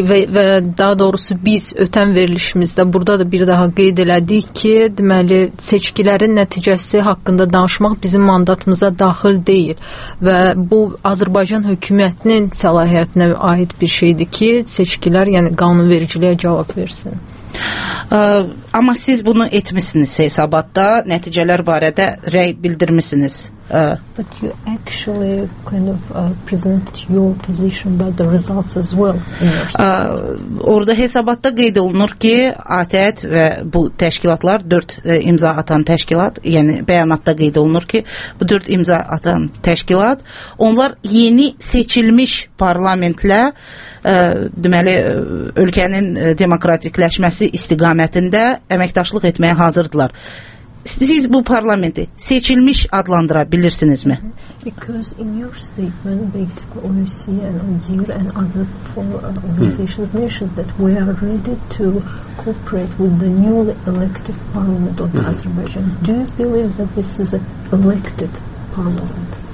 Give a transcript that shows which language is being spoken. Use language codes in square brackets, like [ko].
[az] Və daha doğrusu biz ötən verilişimizdə burada da bir daha qeyd elədik ki, deməli, seçkilərin nəticəsi haqqında danışmaq bizim mandatımıza daxil deyil və bu Azərbaycan hökumətinin səlahiyyətinə aid bir şeydir ki, seçkilər, yəni qanunvericiliyə cavab versin. Amma siz bunu etmişsiniz hesabatda, nəticələr barədə rəy bildirmişsiniz. [en] But you actually kind of present your position about the results as well. [az] Orada hesabatda qeyd olunur ki, ATƏT və bu təşkilatlar, 4 imza atan təşkilat, yəni bəyanatda qeyd olunur ki, bu 4 imza atan təşkilat, onlar yeni seçilmiş parlamentlə, deməli, ölkənin demokratikləşməsi istiqamətində əməkdaşlıq etməyə hazırdılar. Siz bu parlamenti seçilmiş adlandıra bilirsinizmi? [en] Because in your statement, basically OEC and ODIHR and other organizations mentioned that we are ready to cooperate with the newly elected parliament of Azerbaijan. Do you believe that this is an elected parliament?